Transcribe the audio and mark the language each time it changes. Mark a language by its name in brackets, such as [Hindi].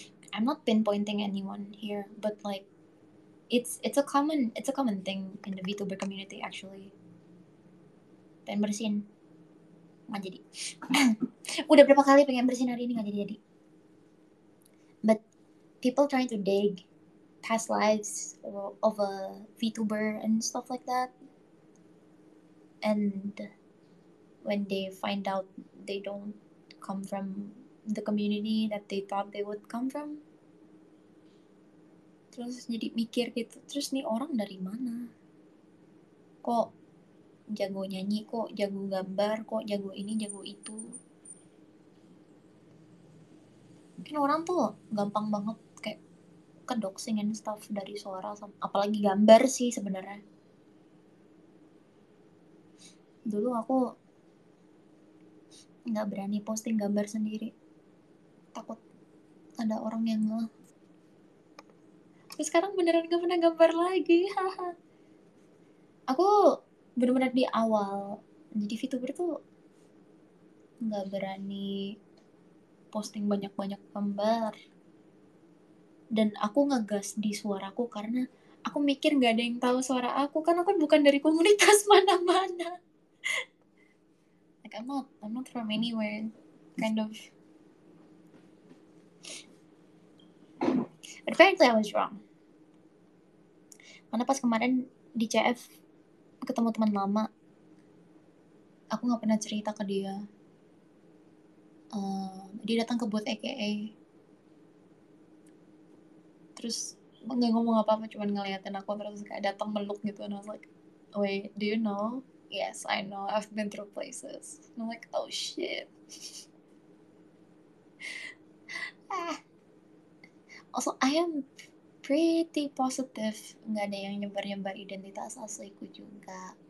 [English] I'm not pinpointing anyone here, but like it's a common thing in the VTuber community actually. [Indonesian] Pengen bersin. Gak jadi. Udah berapa kali pengen bersin hari ini gak jadi-jadi. [English] But people trying to dig past lives of a VTuber and stuff like that. And when they find out they don't come from the community that they thought they would come from. [Indonesian] Terus jadi mikir gitu, terus nih orang dari mana? Kok jago nyanyi, kok jago gambar, kok jago ini, jago itu. Kan orang tuh gampang banget kayak kedoxing and stuff dari suara, apalagi gambar sih sebenarnya. Dulu aku gak berani posting gambar sendiri. Takut ada orang yang ngeh. Terus sekarang beneran gak pernah gambar lagi. Aku bener-bener di awal jadi VTuber tuh gak berani posting banyak-banyak gambar. Dan aku ngegas di suaraku karena aku mikir gak ada yang tahu suara aku. Kan aku bukan dari komunitas mana-mana. [English] Like I'm not from anywhere, kind of. But apparently I was wrong. [Indonesian] Karena pas kemarin di CF ketemu teman lama, aku nggak pernah cerita ke dia. Dia datang ke booth AKA, terus nggak ngomong apa-apa, cuma ngeliatin aku, terus kayak datang meluk gitu. [English] And I was like, wait, do you know? Yes, I know. I've been through places. And I'm like, oh shit. Also, I am pretty positive. [Indonesian] Nggak ada yang nyebar-nyebar identitas asliku juga.